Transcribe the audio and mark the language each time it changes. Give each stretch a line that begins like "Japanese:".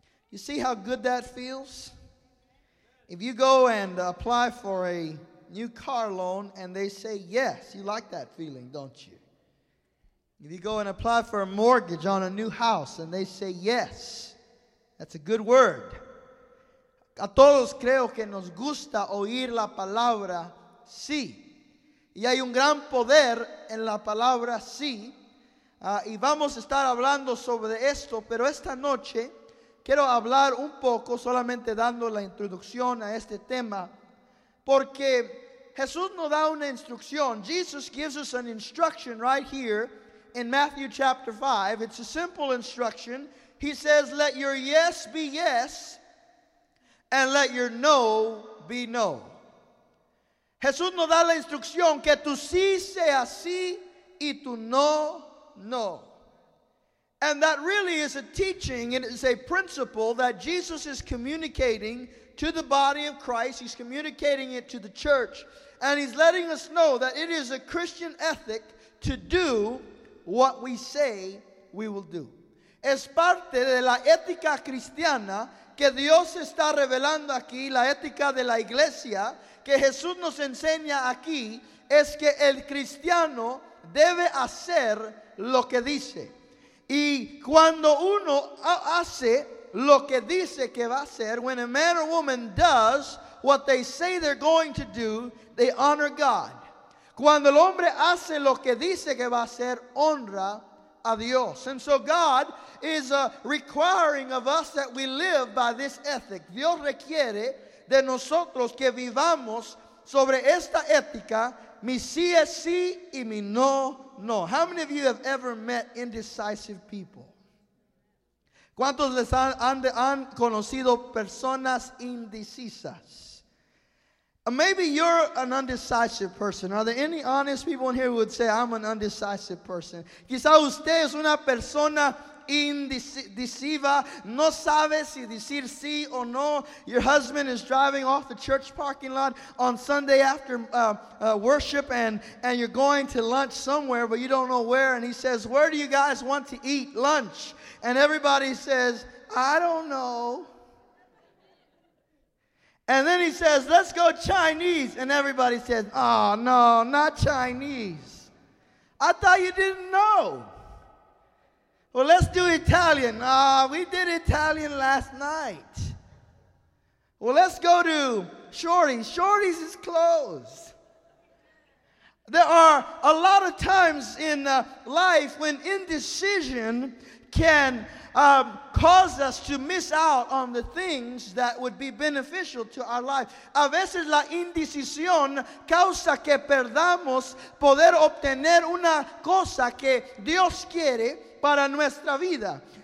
English: You see how good that feels? If you go and apply for a new car loan and they say yes, you like that feeling, don't you? If you go and apply for a mortgage on a new house and they say yes, that's a good word.
Spanish: A todos creo que nos gusta oír la palabra sí. Y hay un gran poder en la palabra sí. Y vamos a estar hablando sobre esto, pero esta noche quiero hablar un poco, solamente dando la introducción a este tema, porque Jesús nos da una instrucción.
English: Jesus gives us an instruction right here in Matthew chapter 5. It's a simple instruction. He says, "Let your yes be yes, and let your no be no."
Spanish: Jesús nos da la instrucción que tu sí sea sí y tu no, no.
English: And that really is a teaching and it's a principle that Jesus is communicating to the body of Christ. He's communicating it to the church. And he's letting us know that it is a Christian ethic to do what we say we will do.
Spanish: Es parte de la ética cristiana que Dios está revelando aquí, la ética de la iglesia, que Jesús nos enseña aquí, es que el cristiano debe hacer lo que dice. Y cuando uno hace lo que dice que va a hacer,
English: when a man or woman does what they say they're going to do, they honor God.
Spanish: Cuando el hombre hace lo que dice que va a hacer, honra a Dios.
English: And so God is requiring of us that we live by this ethic.
Spanish: Dios requiere de nosotros que vivamos sobre esta ética, mi sí es sí y mi no, no.
English: How many of you have ever met indecisive people?
Spanish: ¿Cuántos les han conocido personas indecisas?
English: Maybe you're an undecisive person. Are there any honest people in here who would say, I'm an undecisive person?
Spanish: Quizá usted es una persona indecisiva, no sabe si decir sí o no.
English: Your husband is driving off the church parking lot on Sunday after worship and you're going to lunch somewhere, but you don't know where. And he says, where do you guys want to eat lunch? And everybody says, I don't know. And then he says, let's go Chinese. And everybody says, oh, no, not Chinese. I thought you didn't know. Well, let's do Italian. Ah, we did Italian last night. Well, let's go to Shorty's. Shorty's is closed. There are a lot of times in life when indecision can cause us to miss out on the things that would be beneficial to our life.
Spanish: A veces la indecisión causa que perdamos poder obtener una cosa que Dios quiere para nuestra vida.